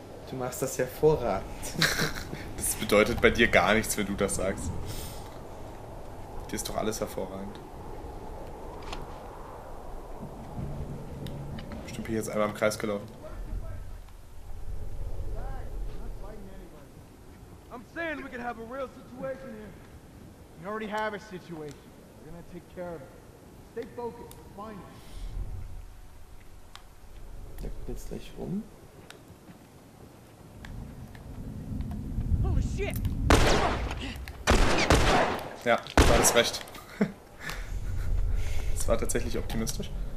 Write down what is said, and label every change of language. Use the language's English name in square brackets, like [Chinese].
[German] Du machst das hervorragend. Das bedeutet bei dir gar nichts, wenn du das sagst. Dir ist doch alles hervorragend. Bestimmt bin ich jetzt einmal im Kreis gelaufen. [English] I'm saying we could have a real situation here. We already have a situation. We're gonna take care of it. Stay focused. Find it. [German] Der kommt jetzt gleich rum. [English] Holy shit! [German] Ja, du hattest recht. Das war tatsächlich optimistisch.